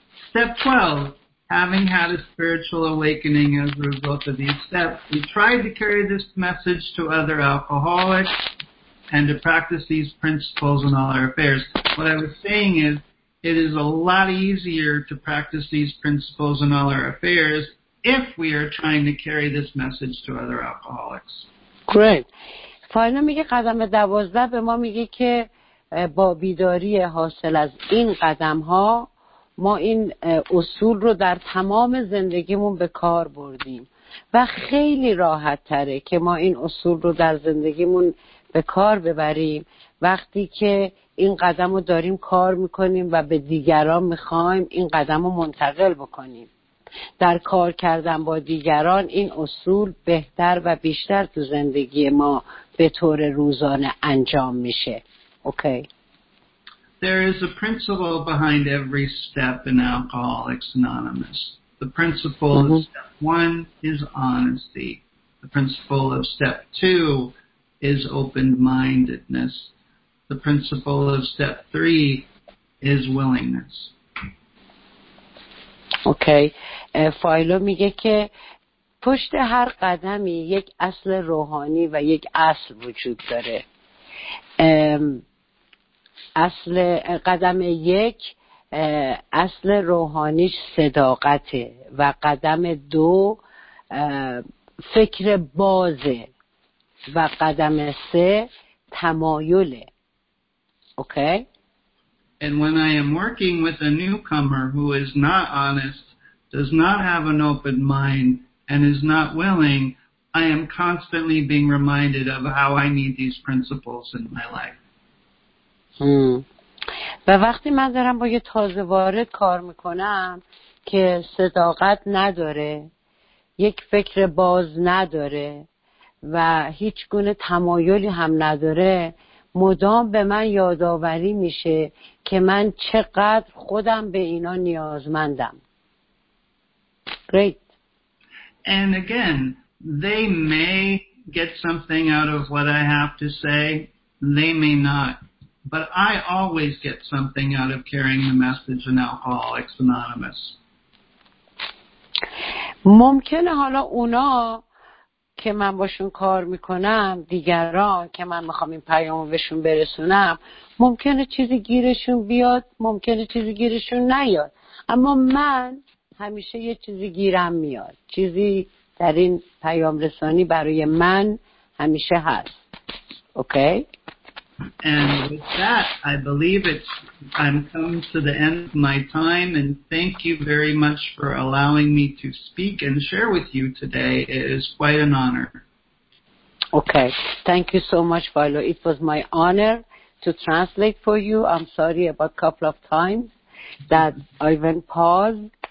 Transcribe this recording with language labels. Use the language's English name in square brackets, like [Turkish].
[English] Step 12, having had a spiritual awakening as a result of these steps, we tried to carry this message to other alcoholics and to practice these principles in all our affairs. What I was saying is, it is a lot easier to practice these principles in all our affairs if we are trying to carry this message to other alcoholics. Great. [Persian] فاینا میگه قدم 12 به ما میگه که با بیداری حاصل از این قدم ها ما این اصول رو در تمام زندگیمون به کار بردیم و خیلی راحت تره که ما این اصول رو در زندگیمون به کار ببریم وقتی که این قدم رو داریم کار میکنیم و به دیگران میخوایم این قدم رو منتقل بکنیم. در کار کردن با دیگران این اصول بهتر و بیشتر تو زندگی ما به طور روزانه انجام میشه. [English] Okay. There is a principle behind every step in Alcoholics Anonymous. The principle of step one is honesty. The principle of step two is open-mindedness. The principle of step three is willingness. Okay. [Persian] فایلو میگه که پشت هر قدمی یک اصل روحانی و یک اصل وجود داره. اصل قدم یک اصل روحانیش صداقته و قدم دو فکر بازه و قدم سه تمایله. اوکی. [English] And when I am working with a newcomer who is not honest, does not have an open mind and is not willing, I am constantly being reminded of how I need these principles in my life. [Persian] و وقتی من دارم با یه تازه وارد کار میکنم که صداقت نداره، یک فکر باز نداره و هیچ گونه تمایلی هم نداره، مدام به من یادآوری میشه که من چقدر خودم به اینا نیازمندم. [English] Great. And again, they may get something out of what I have to say, they may not. But I always get something out of carrying the message in Alcoholics Anonymous. [Persian] ممکنه حالا اونا که من باشون کار میکنم، دیگران که من میخوام این پیامو بهشون برسونم، ممکنه چیزی گیرشون بیاد، ممکنه چیزی گیرشون نیاد. اما من همیشه یه چیزی گیرم میاد. چیزی در این پیام رسانی برای من همیشه هست. اوکی؟ [English] And with that, I believe I'm coming to the end of my time, and thank you very much for allowing me to speak and share with you today. It is quite an honor. Okay. Thank you so much, Philo. It was my honor to translate for you. I'm sorry about a couple of times that I went pause.